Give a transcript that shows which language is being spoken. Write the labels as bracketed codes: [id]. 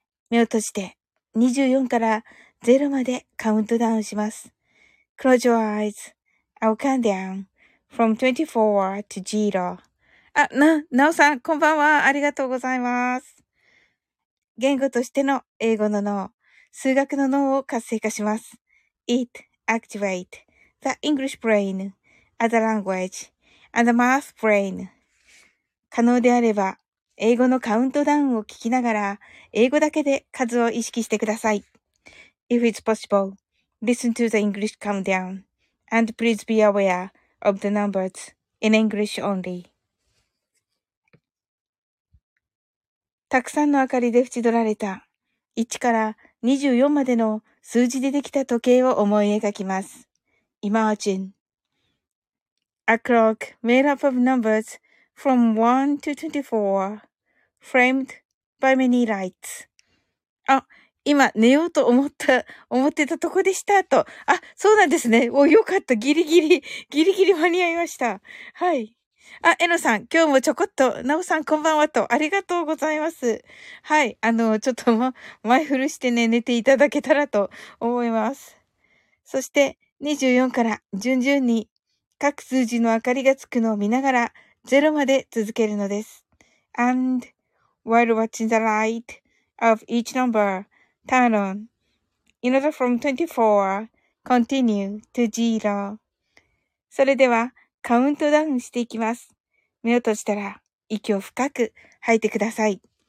[ja] 目を閉じて24から0までカウントダウンします。 [en] Close your eyes. I'll count down from 24 to 0. [ja] なおさん、こんばんは。ありがとうございます。言語としての英語の脳、数学の脳を活性化します。 [en] It activate the English brain as the language and the math brain. [ja] 可能であれば、英語のカウントダウンを聞きながら、英語だけで数を意識してください。 [en] If it's possible, listen to the English countdown and please be aware of the numbers in English only. [ja] たくさんの明かりで縁取られた1から24までの数字でできた時計を思い描きます。 [en] Imagine. A clock made up of numbers from 1 to 24, framed by many lights. [ja] あ、今寝ようと思ってたとこでしたと。あ、そうなんですね。お、よかった。ギリギリ間に合いました。はい。あ、えのさん、今日もちょこっと、なおさんこんばんはと、ありがとうございます。はい、ちょっと前振るしてね、寝ていただけたらと思います。そして、24から順々に、各数字の明かりがつくのを見ながら、0まで続けるのです。 [en] And, while watching the light of each number, turn on, in order from 24, continue to 0. [ja] それでは、カウントダウンしていきます。目を閉じたら息を深く吐いてください。